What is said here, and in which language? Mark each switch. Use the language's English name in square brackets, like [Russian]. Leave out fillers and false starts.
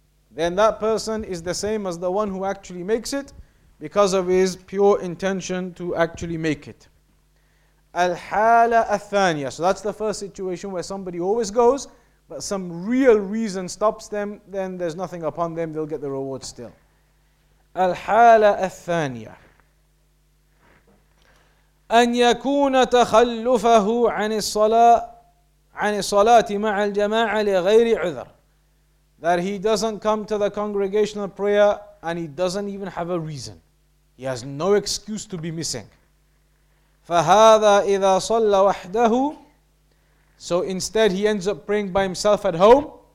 [English] Then that person is the same as the one who actually makes it because of his pure intention to actually make it. [Arabic] Al-hala al-thaniya. [English] So that's the first situation where somebody always goes, but some real reason stops them, then there's nothing upon them, they'll get the reward still. [Arabic] Al-hala al-thaniya. أن يكون تخلفه عن الصلاة مع الجماعة لغير عذر. [English] That he doesn't come to the congregational prayer and he doesn't even have a reason. He has no excuse to be missing. [Arabic] فهذا إذا صلى وحده. [English] So instead he ends up praying by himself at home.